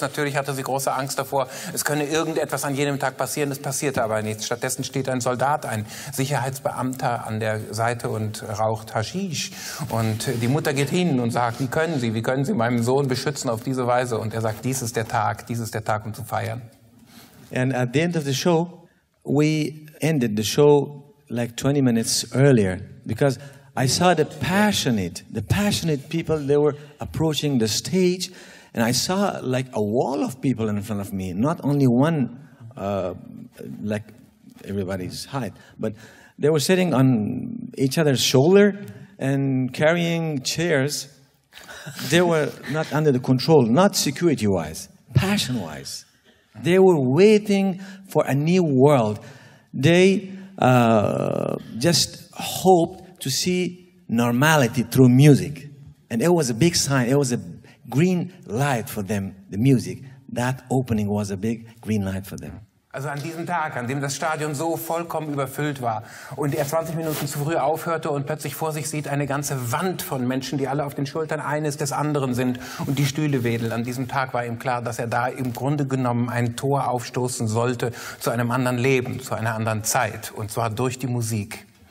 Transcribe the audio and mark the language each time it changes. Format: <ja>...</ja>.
<de>Natürlich hatte sie große Angst davor, es könne irgendetwas an jenem Tag passieren. Es passierte aber nichts. Stattdessen steht ein Soldat, ein Sicherheitsbeamter an der Seite und raucht Haschisch. Und die Mutter geht hin und sagt, wie können Sie meinen Sohn beschützen auf diese Weise? Und er sagt, dies ist der Tag, um zu feiern.</de> <en>And at the end of the show, we ended the show like 20 minutes earlier, because I saw the passionate people, they were approaching the stage, and I saw like a wall of people in front of me, not only one, like everybody's height, but they were sitting on each other's shoulder and carrying chairs. They were not under the control, not security-wise, passion-wise. They were waiting for a new world. They just hoped to see normality through music. And it was a big sign. It was a green light for them, the music. That opening was a big green light for them.</en> <de>Also an diesem Tag, an dem das Stadion so vollkommen überfüllt war und er 20 Minuten zu früh aufhörte und plötzlich vor sich sieht eine ganze Wand von Menschen, die alle auf den Schultern eines des anderen sind und die Stühle wedeln. An diesem Tag war ihm klar, dass er da im Grunde genommen ein Tor aufstoßen sollte zu einem anderen Leben, zu einer anderen Zeit, und zwar durch die Musik.</de>